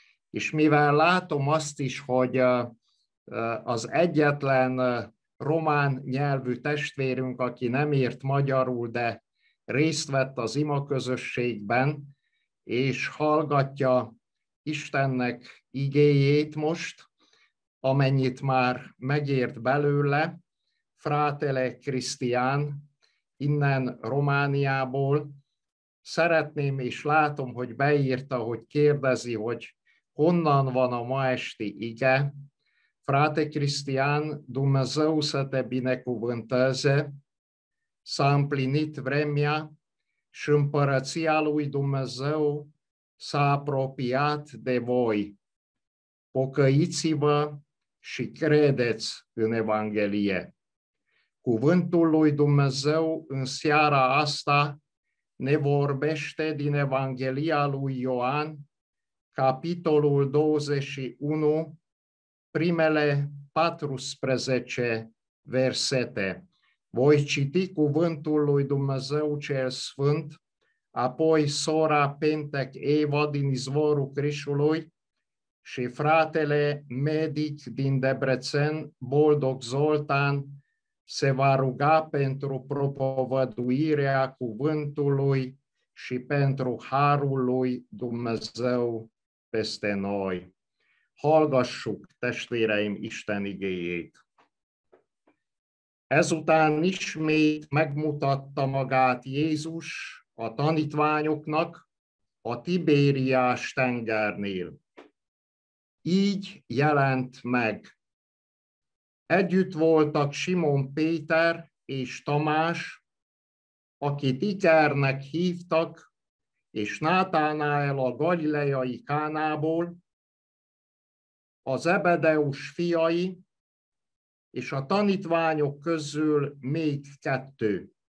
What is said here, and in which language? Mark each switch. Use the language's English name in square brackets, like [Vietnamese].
[Hungarian] És mivel látom azt is, hogy az egyetlen román nyelvű testvérünk, aki nem írt magyarul, de részt vett az ima közösségben, és hallgatja Istennek igéjét most, amennyit már megért belőle, Frátele Krisztián, innen Romániából. Szeretném, és látom, hogy beírta, hogy kérdezi, hogy honnan van a ma esti ige. [Romanian] Fráte Krisztián, Dumnezeu să te binecuvânteze, s-a împlinit vremea și împărăția lui Dumnezeu s-a apropiat de voi. Pocăiți-vă și credeți în Evanghelie. Cuvântul lui Dumnezeu în seara asta ne vorbește din Evanghelia lui Ioan, capitolul 21, primele 14 versete. Voi citi cuvântul lui Dumnezeu cel Sfânt, apoi sora Pentec Eva din izvorul Crișului și fratele medic din Debrețen, Boldog Zoltan, se va ruga pentru propovăduirea cuvântului și pentru harul lui Dumnezeu peste noi. [Hungarian] Hallgassuk, testvéreim, Isten igéjét! Ezután ismét megmutatta magát Jézus a tanítványoknak a Tibériás tengernél. Így jelent meg. Együtt voltak Simon Péter és Tamás, akit Ikernek hívtak, és Nátánael a galileai Kánából, az Ebedeus fiai, és a tanítványok közül még kettő.